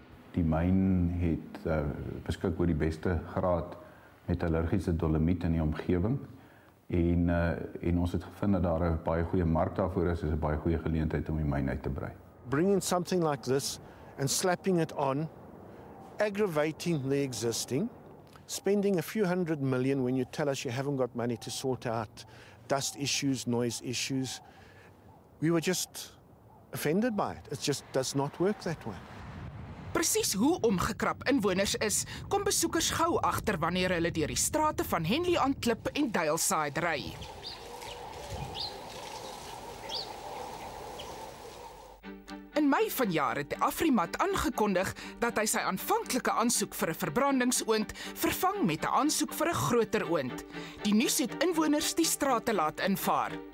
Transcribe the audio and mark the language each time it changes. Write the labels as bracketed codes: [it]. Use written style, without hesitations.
[af] Die myn het beskik oor die beste graad metallurgiese dolomiet in die omgewing en ons het gevind dat daar 'n baie goeie mark daarvoor is, is 'n baie goeie geleentheid om die myn uit te brei. [en] Bringing something like this and slapping it on, aggravating the existing, spending a few hundred million when you tell us you haven't got money to sort out dust issues, noise issues. We were just offended by it. It just does not work that way. [af] Presies hoe omgekrap inwoners is, kom besoekers gou agter wanneer hulle deur die strate van Henley on Klip en Daleside ry. In Mei vanjaar het Afrimat aangekondig dat hy sy aanvanklike aansoek vir 'n verbrandingsoond vervang met 'n aansoek vir 'n groter oond. Die nuus het inwoners die strate laat invaar.